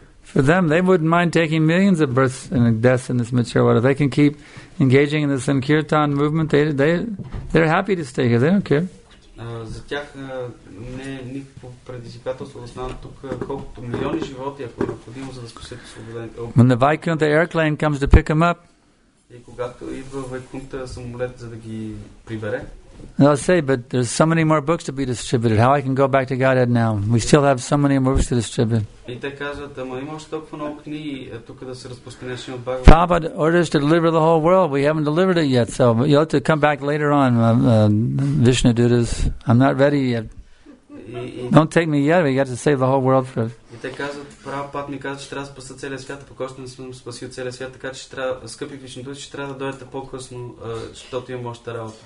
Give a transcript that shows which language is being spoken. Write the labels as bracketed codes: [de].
[en] For them, they wouldn't mind taking millions of births and deaths in this material world. If they can keep engaging in the Sankirtan movement, they're happy to stay here. They don't care. [bg] За тях не е никакво предизвикателство да останат тук, колкото милиони животи, ако е необходимо, за да спасят освободените. [en] When the Vaikuntha airplane comes to pick them up, [bg] и когато идва Вайкунта самолет, за да ги прибере, [en] they'll say, but there's so many more books to be distributed. How I can go back to Godhead now? We still have so many more books to distribute. [bg] И те казват, ама има още толкова много книги тук да се разпространяваш от Бхагавад. [en] Prabhupada orders to deliver the whole world. We haven't delivered it yet, so you'll have to come back later on, Vishnu Dudas. I'm not ready yet. Don't take me yet. We got to save the whole world for it. [bg] И те казват, Prabhupada ми казва, че трябва да спаса целия свят, пък още не съм спасил целия свят, така че трябва, скъпи Вишну Дудас, ще трябва да дойдете по-късно, защото имам още работа.